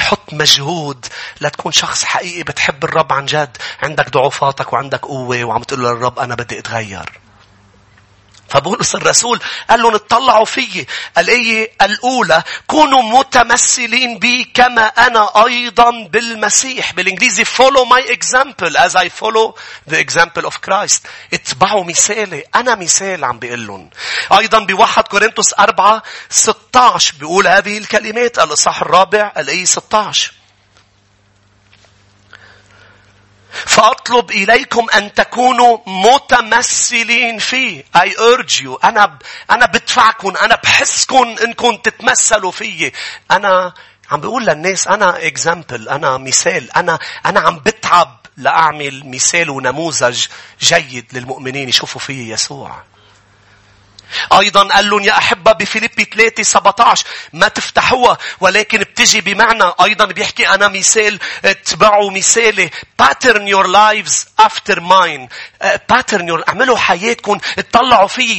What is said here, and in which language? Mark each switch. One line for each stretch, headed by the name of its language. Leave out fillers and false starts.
Arabic: حط مجهود لتكون شخص حقيقي بتحب الرب عن جد. عندك ضعفاتك وعندك قوة وعم تقول للرب أنا بدي أتغير. فبولس الرسول قال لهم اطلعوا فيي. الآية الأولى كونوا متمثلين بي كما أنا أيضا بالمسيح. بالإنجليزي
English: follow my example as I follow the example of Christ.
Arabic: اتبعوا مثالي. أنا مثال عم بيقول لهم. أيضا بواحد كورنثوس 4:16 بيقول هذه الكلمات. الإصحاح الرابع الآية 16. فأطلب إليكم أن تكونوا متمثلين فيه.
English: I urge you.
Arabic: أنا بدفعكم. أنا بحسكم إنكم تتمثلوا فيي. أنا عم بقول للناس أنا example. أنا مثال. أنا عم بتعب لأعمل مثال ونموذج جيد للمؤمنين يشوفوا فيي يسوع. أيضا قال لهم يا أحبة بفيليبي 3:17 ما تفتحوها ولكن بتجي بمعنى. أيضا بيحكي أنا مثال. اتبعوا مثالي.
English: pattern your lives after mine. pattern your
Arabic: اعملوا حياتكم اطلعوا فيي.